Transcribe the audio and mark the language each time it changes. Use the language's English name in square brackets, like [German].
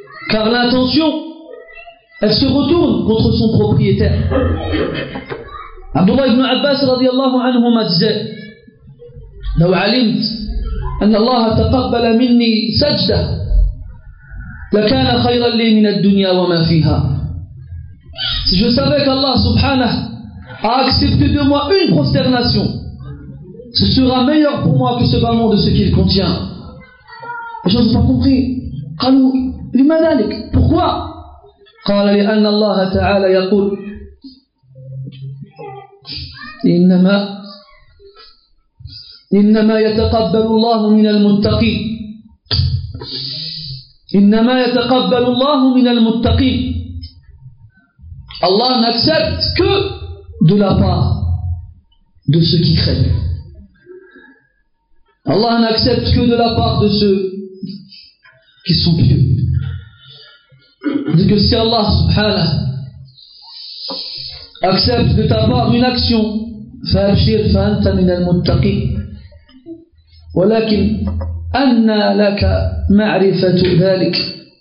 [French] Car l'intention, elle se retourne contre son propriétaire. [Arabic] Abdullah ibn Abbas radiallahu anhu [French] m'a dit: [Arabic] لو علمت أن الله تقبل مني سجدة لكان خيرا لي من الدنيا وما فيها. [French] Si je savais qu'Allah subhanahu a accepté de moi une prosternation, ce sera meilleur pour moi que ce bas-monde de ce qu'il contient. Les gens n'ont pas compris. [Arabic] قالوا لما ذلك. [French] Pourquoi? [Arabic] قال لأن الله تعالى يقول إنما يتقبل الله من المتقين. إنما يتقبل الله من المتقين. [French] Allah n'accepte que de la part de ceux qui craignent. Allah n'accepte que de la part de ceux qui sont pieux. Dit que si Allah subhanahu accepte de ta part une action, [Arabic] فَأَبْشِرْ فَأَنْتَ مِنَ الْمُتَّقِينَ وَلَكِنْ أَنَّا لَكَ مَعْرِفَةُ ذَلِكَ.